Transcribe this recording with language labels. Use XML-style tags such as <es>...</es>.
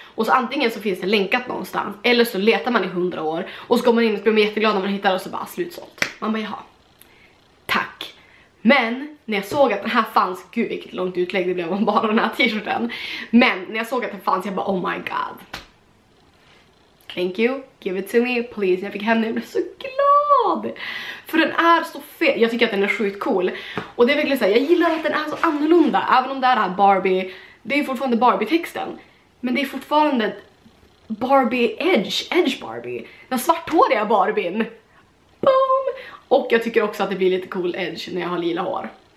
<sv>Och så antingen så finns det länkat någonstans, eller så letar man i 100 år. Och så går man in och blir jätteglad när man hittar det och så bara slutsålt. Man bara, jaha. Tack. Men när jag såg att den här fanns, gud vilket långt utlägg det blev om bara den här t-shirten. Men när jag såg att den fanns, jag bara,</sv> <en>oh my god. Thank you, give it to me, please.</en> <sv>Jag fick hem den, jag blev så glad. För den är så fet, jag tycker att den är sjukt cool. Och det är verkligen såhär, jag gillar att den är så annorlunda. Även om det är Barbie, det är fortfarande Barbie-texten. Men det är fortfarande Barbie-edge Barbie. Den svarthåriga Barbien. Boom! Och jag tycker också att det blir lite cool edge när jag har lila hår.</sv>